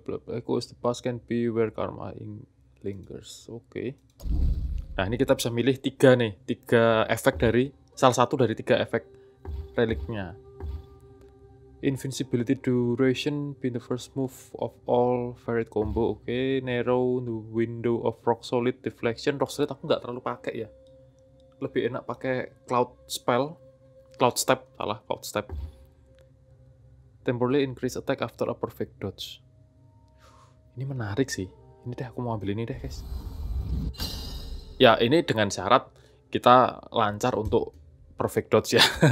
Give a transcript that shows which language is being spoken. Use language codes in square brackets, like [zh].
[en] Echoes the past can be where karma lingers. Oke. [id] Nah, ini kita bisa milih tiga nih, tiga efek dari salah satu dari tiga efek reliknya. [en] Invincibility duration being the first move of all varied combo. Oke, narrow the window of rock solid deflection. [id] Rock solid aku nggak terlalu pakai ya. Lebih enak pakai cloud step. [en] Temporarily increase attack after a perfect dodge. [id] Ini menarik sih. Ini deh, aku mau ambil ini deh, guys. Ya, ini dengan syarat kita lancar untuk perfect dodge ya.